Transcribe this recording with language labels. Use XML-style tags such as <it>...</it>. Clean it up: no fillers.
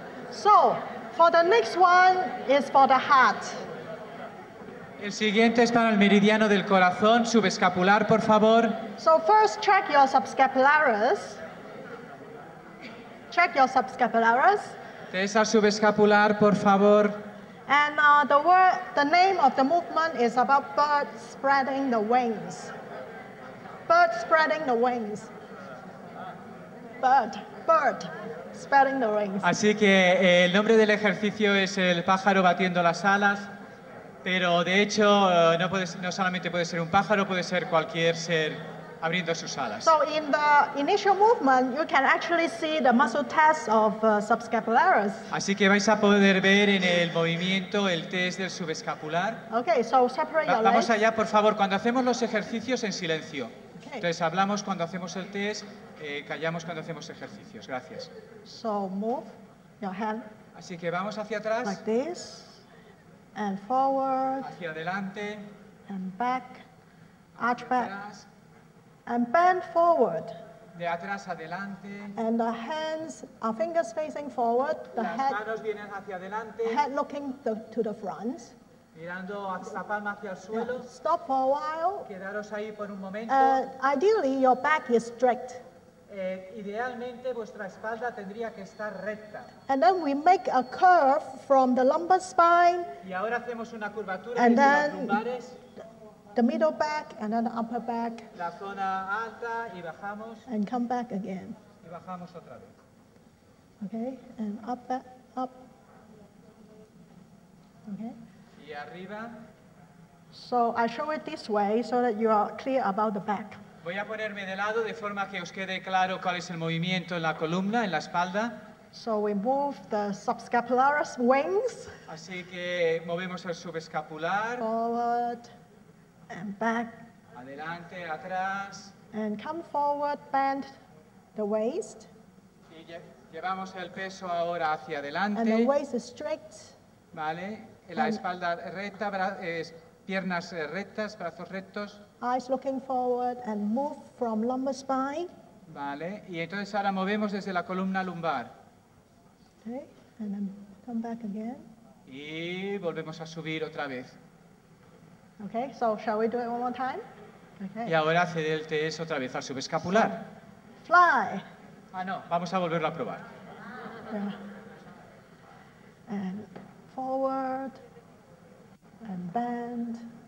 <en>So, for the next one is for the heart.</en> <es>El siguiente es para el meridiano del corazón, subescapular, por favor.</es> <en>So first check your subscapularis. Check your subscapularis.</en> <es>Test al subescapular, por favor.</es> <en>And the name of the movement is about birds spreading the wings. Bird spreading the wings. Bird spreading the wings.</en> <es>Así que el nombre del ejercicio es el pájaro batiendo las alas. Pero de hecho no solamente puede ser un pájaro, puede ser cualquier ser abriendo sus alas.</es> <en>So in the initial movement, you can actually see the muscle test of subscapularis.</en> <es>Así que vais a poder ver en el movimiento el test del subescapular.</es> <en>Okay, so separate your legs.</en> <es>Vamos allá, por favor. Cuando hacemos los ejercicios en silencio. Okay. Entonces hablamos cuando hacemos el test, callamos cuando hacemos ejercicios. Gracias.</es> <en>So move your hand.</en> <es>Así que vamos hacia atrás.</es> <en>Like this. And forward,</en> <es>hacia adelante,</es> <en>and back, arch back,</en> <es>atrás,</es> <en>and bend forward,</en> <es>de atrás adelante,</es> <en>and the hands, our fingers facing forward, the head,</en> <es>manos vienen hacia adelante,</es> <en>head looking to the front,</en> <es>mirando hasta palma hacia el suelo,</es> <en>yeah. Stop for a while,</en> <es>quedaros ahí por un momento,</es> <en>ideally your back is straight.</en> <es>Idealmente vuestra espalda tendría que estar recta.</es> <en>And then we make a curve from the lumbar spine.</en> <es>Y ahora hacemos una curvatura en las lumbares.</es> <en>The middle back and then the upper back.</en> <es>La zona alta y bajamos.</es> <en>And come back again.</en> <es>Y bajamos otra vez.</es> <en>Okay, and up back, up. Okay.</en> <es>Y arriba.</es> <en>So I show it this way so that you are clear about the back.</en> <es>Voy a ponerme de lado de forma que os quede claro cuál es el movimiento en la columna, en la espalda.</es> <en>So we move the subscapularis wings.</en> <es>Así que movemos el subescapular.</es> <en>Forward and back.</en> <es>Adelante, atrás.</es> <en>And come forward, bend the waist.</en> <es>Y llevamos el peso ahora hacia adelante.</es> <en>And the waist is straight.</en> <es>Vale, la espalda recta, piernas rectas, brazos rectos.</es> <en>Eyes looking forward and move from lumbar spine.</en> <es>Vale, y entonces ahora movemos desde la columna lumbar.</es> <en>Okay, and then come back again.</en> <es>Y volvemos a subir otra vez.</es> <en>Okay, so shall we do it one more time? Okay.</en> <es>Y ahora haced el test otra vez al subescapular.</es> <en>So, fly.</en> <es>Ah, no, vamos a volverlo a probar.</es> <en>Yeah. And forward and bend.</en>